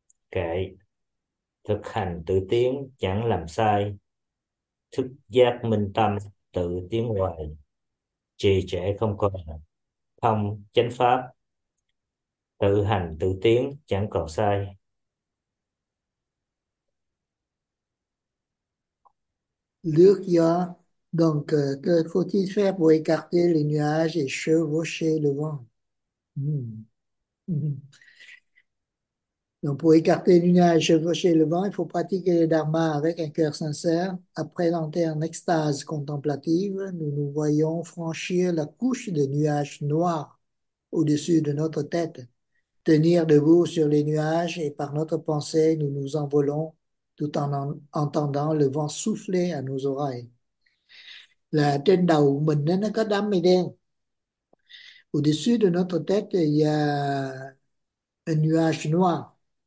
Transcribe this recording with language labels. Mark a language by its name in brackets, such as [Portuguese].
[Vietnamese] Kệ, thực hành tự tiến chẳng làm sai. Thức giác minh tâm tự tiến hoài. Trì trệ không còn, thông chánh pháp. Tự hành tự tiến chẳng còn sai. Lướt gió, [French] donc faut-il faire pour écarter les nuages et chevaucher le vent? Donc pour écarter les nuages et chevaucher le vent, il faut pratiquer le dharma avec un cœur sincère. Après l'entrée en extase contemplative, nous nous voyons franchir la couche de nuages noirs au-dessus de notre tête. Tenir debout sur les nuages et par notre pensée, nous nous envolons tout en entendant le vent souffler à nos oreilles. [Vietnamese] Là trên đầu mình nó có đám mây đen. [French] Au-dessus de notre tête, il y a un nuage noir.